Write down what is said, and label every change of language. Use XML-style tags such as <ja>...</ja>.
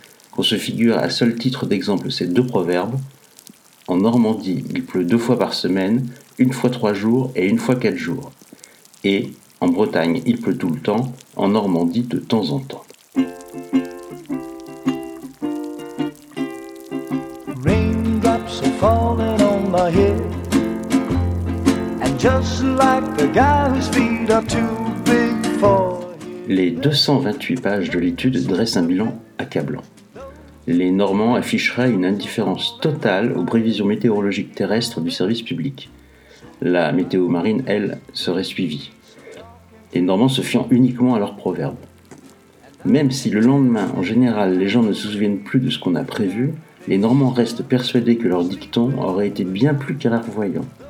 <fr>Qu'on se figure à seul titre d'exemple ces 2 proverbes. En Normandie, il pleut 2 fois par semaine, 1 fois 3 jours et 1 fois 4 jours. Et, en Bretagne, il pleut tout le temps, en Normandie, de temps en temps.</fr> <en>Raindrops are falling on my head, and just like the guy whose feet are too big for him.</en> <fr>Les 228 pages de l'étude dressent un bilan accablant. Les Normands afficheraient une indifférence totale aux prévisions météorologiques terrestres du service public. La météo marine, elle, serait suivie. Les Normands se fiant uniquement à leurs proverbes. Même si le lendemain, en général, les gens ne se souviennent plus de ce qu'on a prévu, les Normands restent persuadés que leur dicton aurait été bien plus clairvoyant.</fr>